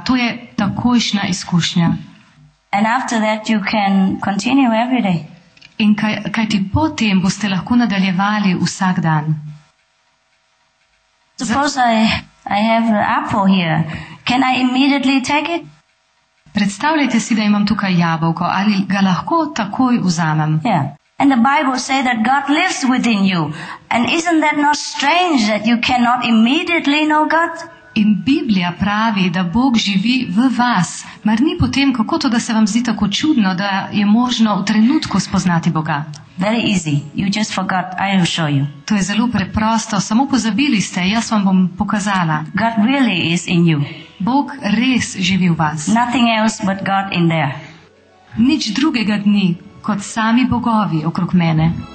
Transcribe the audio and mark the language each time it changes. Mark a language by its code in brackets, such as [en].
[sl] To je takojšna izkušnja. [en] And after that you can continue every day. [sl] In kaj ti potem boste lahko nadaljevali vsak dan. [en] Suppose I have an apple here. Can I immediately take it? [sl] Predstavljajte si, da imam tukaj jabolko, ali ga lahko takoj vzamem. [en] Yeah. And the Bible say that God lives within you. And isn't that not strange that you cannot immediately know God? [sl] In Biblija pravi, da Bog živi v vas. Mar ni potem, kako to, da se vam zdi tako čudno, da je možno v trenutku spoznati Boga? [en] Very easy. You just forgot. I will show you. [sl] To je zelo preprosto. Samo pozabili ste, jaz vam bom pokazala. [en] God really is in you. [sl] Bog res živi v vas. [en] Nothing else but God in there. [sl] Nič drugega dni, kot sami bogovi okrog mene.